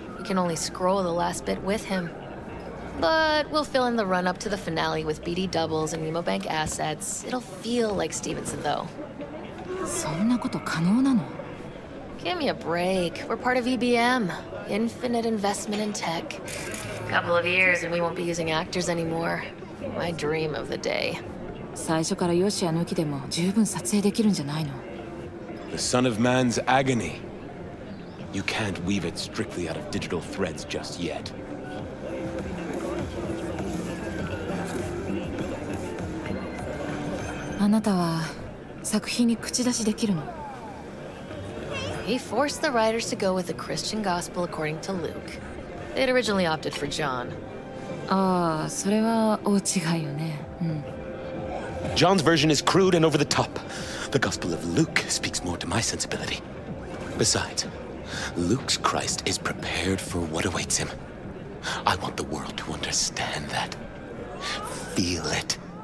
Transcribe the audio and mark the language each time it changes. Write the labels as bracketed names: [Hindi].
[English] We can only scroll the last bit with him. But we'll fill in the run-up to the finale with BD doubles and Nemo Bank assets. It'll feel like Stevenson, though. [Japanese] そんなこと可能なの? [English] Give me a break. We're part of EBM. Infinite investment in tech. Couple of years and we won't be using actors anymore. My dream of the day. [Japanese] 最初からヨシア抜きでも十分撮影できるんじゃないの? [English] The Son of Man's agony. You can't weave it strictly out of digital threads just yet. [Japanese] あなたは作品に口出しできるの? [English] He forced the writers to go with the Christian gospel according to Luke. They'd originally opted for John. Ah, [Japanese] それは大違いよね。うん。 [English] John's version is crude and over the top. The Gospel of Luke speaks more to my sensibility. Besides, Luke's Christ is prepared for what awaits him. I want the world to understand that. Feel it.